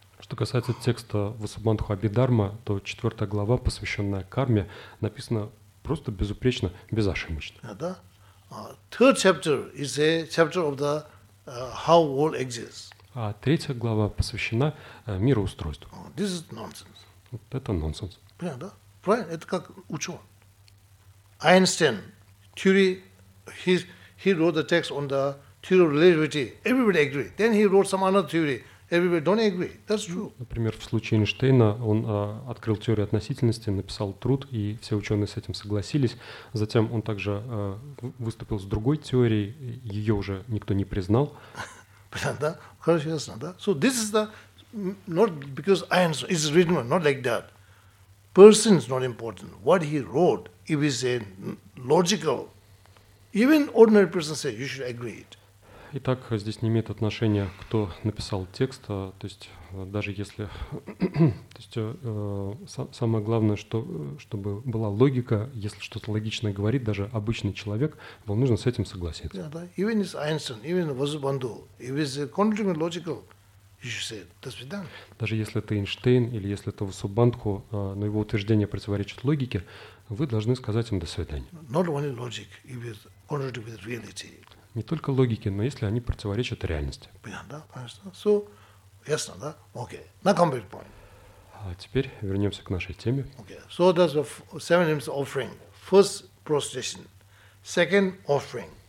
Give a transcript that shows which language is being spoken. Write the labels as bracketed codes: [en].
[ru] Что касается текста Васубандху Абидхарма, то четвертая глава, посвященная карме, написана просто безупречно, безошибочно. Да. [en] Third chapter is a chapter of the how world exists. [ru] А третья глава посвящена мироустройству. [en] This is nonsense. [ru] Вот это нонсенс. Понятно, да? Правильно? Это как ученый. [en] Einstein, theory, he wrote the text on the theory of relativity. Everybody agree. Then he wrote some other theory. Everybody don't agree. That's true. [ru] Например, в случае Эйнштейна он открыл теорию относительности, написал труд, и все ученые с этим согласились. Затем он также выступил с другой теорией, ее уже никто не признал. Да? Хорошо, ясно, да? [en] So this is the, not because I answer, it's written, not like that. Person is not important. What he wrote, if it's a logical, even ordinary person say, you should agree it. [ru] Итак, здесь не имеет отношения, кто написал текст, то есть даже если, то есть самое главное, чтобы была логика, если что-то логичное говорит даже обычный человек, вам нужно с этим согласиться. Yeah, да. [en] Even if Einstein, even Vasubandhu, if it's contradictory logical, you should say it. That's been done. [ru] Даже если это Эйнштейн или если это Васубандху, но его утверждение противоречит логике, вы должны сказать им до свидания. [en] Not only logic, if it's contradictory with reality. [ru] Не только логике, но если они противоречат реальности. Понятно, да? Понятно. [en] So, [ru] ясно, да? [en] Okay. Now come back point. [ru] А теперь вернемся к нашей теме. [en] Okay. So, that's the seven limbs offering. First prostration. Second offering.